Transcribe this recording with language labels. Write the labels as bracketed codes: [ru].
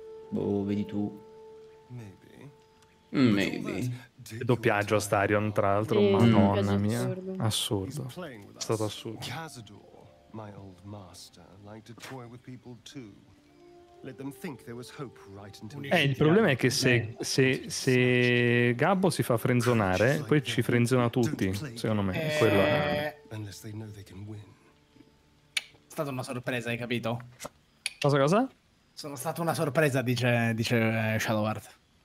[it] Boh, vedi tu. [en] Maybe. [it] Doppiaggio a Starion, tra l'altro, sì, madonna mia, assurdo. È stato assurdo. [en] Cazador, my old master, liked to toy with people too. Let them think there was hope right until. [it] Il problema è che se Gabbo si fa frenzonare, poi ci frenziona tutti, secondo me. Quello è. È stata una sorpresa, hai capito? Cosa? Sono stata una sorpresa, dice Shadowheart.